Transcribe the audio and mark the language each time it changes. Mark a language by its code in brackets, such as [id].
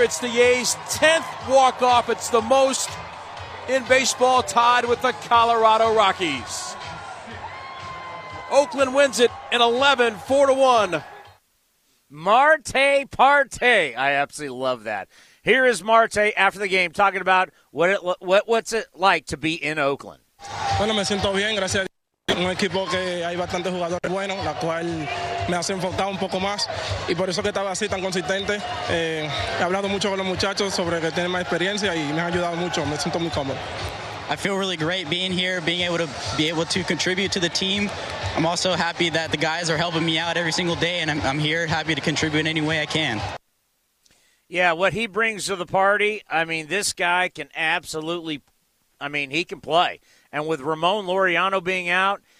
[en] It's the A's 10th walk-off. It's the most in baseball, tied with the Colorado Rockies. Oakland wins it in 11, 4-1. Marte Parte. I absolutely love that. Here is Marte after the game talking about what's it like to be in Oakland. [es] Bueno, me siento bien, gracias a Dios. Un equipo que hay bastantes jugadores buenos, la cual me hace enfocar un poco más. Y por eso que estaba así tan consistente. He hablado mucho con los muchachos sobre que tienen más experiencia y me ha ayudado mucho. Me siento muy cómodo. [en] I feel really great being here, being able to contribute to the team. I'm also happy that the guys are helping me out every single day, and I'm here happy to contribute in any way I can. Yeah, what he brings to the party, I mean, this guy can absolutely, I mean, he can play. And with Ramon Laureano being out,